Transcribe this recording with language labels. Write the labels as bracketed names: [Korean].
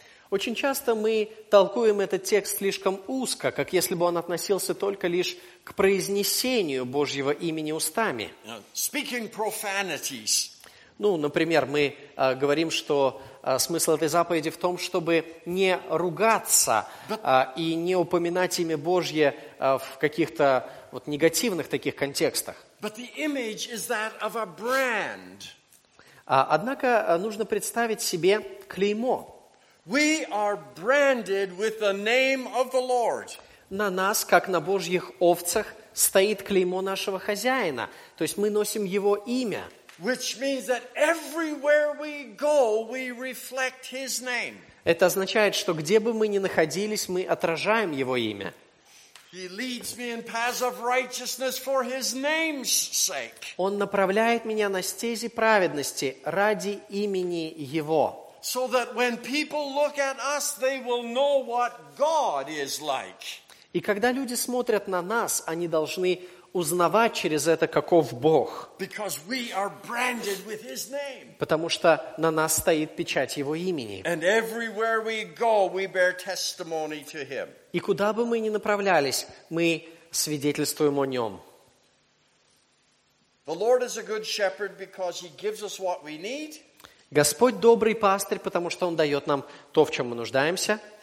[Russian] Очень часто мы толкуем этот текст слишком узко, как если бы он относился только лишь к произнесению Божьего имени устами. [English] Speaking profanities. [Russian] Ну, например, мы говорим, что смысл этой заповеди в том, чтобы не ругаться и не упоминать имя Божье в каких-то вот негативных таких контекстах. [English] But the image is that of a brand. [Russian] Однако нужно представить себе клеймо. [English] We are branded with the name of the Lord. [Russian] На нас, как на Божьих овцах, стоит клеймо нашего хозяина. То есть мы носим его имя. [English] Which means that everywhere we go, we reflect his name. [Russian] Это означает, что где бы мы ни находились, мы отражаем его имя. [English] He leads me in paths of righteousness for his name's sake. [Russian] Он направляет меня на стези праведности ради имени его. [English] So that when people look at us, they will know what God is like. [Russian] И когда люди смотрят на нас, они должны узнавать через это, каков Бог. [English] Because we are branded with his name. [Russian] Потому что на нас стоит печать его имени. [English] And everywhere we go, we bear testimony to him. [Russian] И куда бы мы ни направлялись, мы свидетельствуем о нем. [English] The Lord is a good shepherd because he gives us what we need. [Russian] Господь добрый пастырь, потому что Он дает нам то, в чем мы нуждаемся.